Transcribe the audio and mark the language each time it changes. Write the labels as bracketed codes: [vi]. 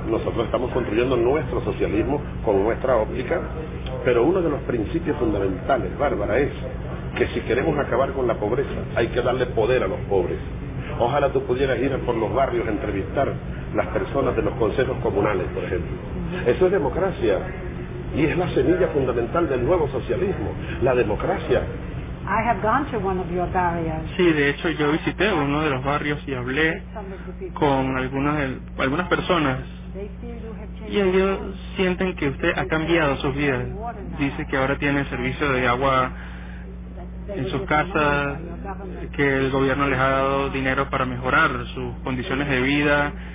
[es] Nosotros estamos construyendo nuestro socialismo con nuestra óptica, pero uno de los principios fundamentales, Bárbara, es que si queremos acabar con la pobreza, hay que darle poder a los pobres. Ojalá tú pudieras ir por los barrios a entrevistar las personas de los consejos comunales, por ejemplo. Eso es democracia, y es la semilla fundamental del nuevo socialismo, la democracia. [en] I have gone to one of your barriers. [es] Sí, de hecho yo visité uno de los barrios y hablé con algunas personas, y ellos sienten que usted ha cambiado sus vidas. Dice que ahora tiene servicio de agua en sus casas, que el gobierno les ha dado dinero para mejorar sus condiciones de vida.